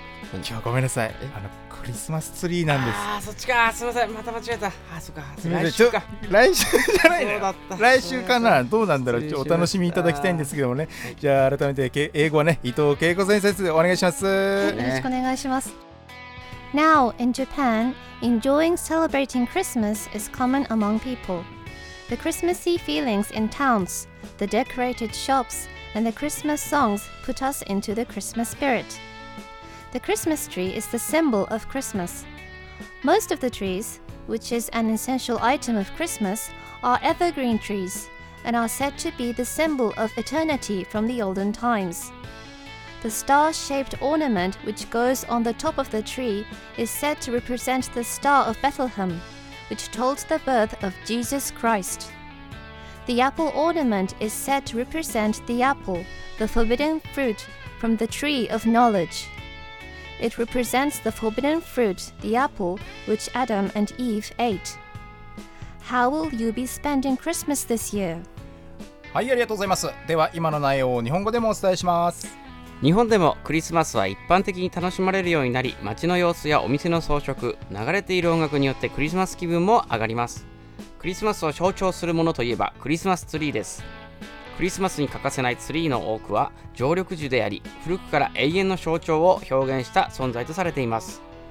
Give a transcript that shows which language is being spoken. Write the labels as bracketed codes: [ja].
[ja] 今日はごめんなさい、クリスマスツリーなんです。あ、そっちか。すいません、また間違えた。あ、そっか、来週か。来週じゃないの。そうだった。来週かな。どうなんだろう。ちょっとお楽しみいただきたいんですけどもね。じゃあ改めて英語はね、伊藤恵子先生でお願いします、はい、よろしくお願いします。 [en] Now in Japan, enjoying celebrating Christmas is common among people. The Christmassy feelings in towns, the decorated shops, and the Christmas songs put us into the Christmas spiritThe Christmas tree is the symbol of Christmas. Most of the trees, which is an essential item of Christmas, are evergreen trees and are said to be the symbol of eternity from the olden times. The star-shaped ornament which goes on the top of the tree is said to represent the Star of Bethlehem, which told the birth of Jesus Christ. The apple ornament is said to represent the apple, the forbidden fruit, from the tree of knowledge. It represents the forbidden fruit, the apple, which Adam and Eve ate. How will you be spending Christmas this year? [ja] はい、ありがとうございます。では今の内容を日本語でもお伝えします。日本でもクリスマスは一般的に楽しまれるようになり、街の様子やお店の装飾、流れている音楽によってクリスマス気分も上がります。クリスマスを象徴するものといえばクリスマスツリーです。クリスマスに欠かせないツリーの多くは常緑樹であり、古くから永遠の象徴を表現した存在とされています。